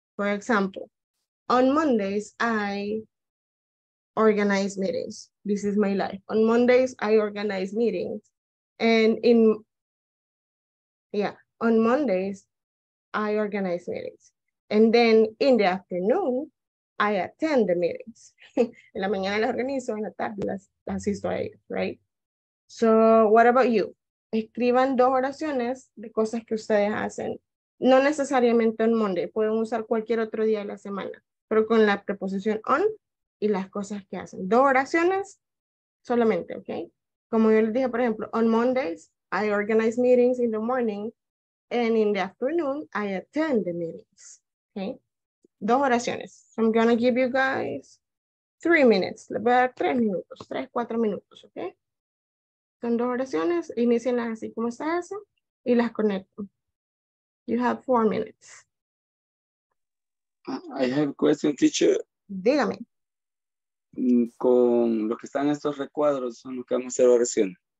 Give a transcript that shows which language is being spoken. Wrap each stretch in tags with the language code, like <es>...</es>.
<en>For example, on Mondays, I organize meetings. This is my life. On Mondays, I organize meetings. And on Mondays, I organize meetings. And then in the afternoon, I attend the meetings.</en> <es>En la mañana las organizo, en la tarde las asisto a ellos, right?</es> <en>So what about you?</en> <es>Escriban dos oraciones de cosas que ustedes hacen. No necesariamente on Monday, pueden usar cualquier otro día de la semana, pero con la preposición on y las cosas que hacen. Dos oraciones solamente, okay? Como yo les dije, por ejemplo,</es> <en>on Mondays, I organize meetings in the morning, and in the afternoon, I attend the meetings, okay?</en> <es>Dos oraciones.</es> <en>So I'm going to give you guys 3 minutes.</en> <es>Le voy a dar 3 minutos, 3, 4 minutos, okay? Son dos oraciones, inicienlas así como está eso, y las conecto.</es> <en>You have 4 minutes. I have a question, teacher.</en> <es>Dígame. Con lo que están estos recuadros son los que vamos a hacer oración.</es>